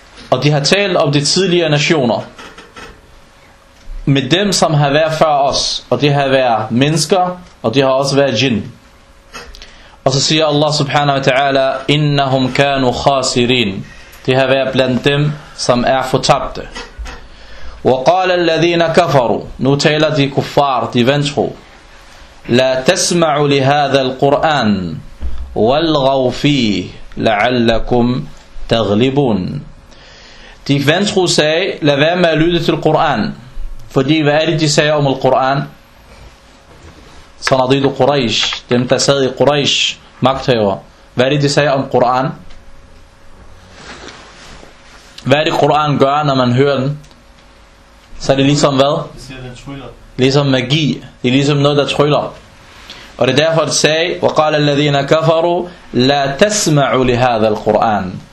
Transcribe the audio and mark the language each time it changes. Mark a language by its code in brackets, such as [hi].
[da] Og de har talt om de tidligere nationer med dem, som har været før os, og de har været mennesker, og de har også været jinn. Og så siger Allah subhanahu wa ta'ala, [ar] innahum kanu khasirin. [da] De har været blandt dem, som er fortabte. [ar] وقال الذين كفروا, [da] nu taler de kuffar, de vantro, [ar] لا تسمعوا لهذا القرآن والغوا فيه لعلكم تغلبون. [da] De vantro sagde, lad være med at lytte til Koran. Fordi hvad er det, de sagde om Koran? Sanadid og Quraysh, dem der sad i Quraysh, magthæver. Hvad er det, de sagde om Koran? Hvad er det, Koran gør, når man hører den? Så er det ligesom hvad? Det siger, den tryller. Ligesom magi. Det er ligesom noget, der tryller. Og det er derfor, de sagde, [ar] وَقَالَ الَّذِينَ كَفَرُوا لَا تَسْمَعُوا لِهَذَا الْقُرْآنِ.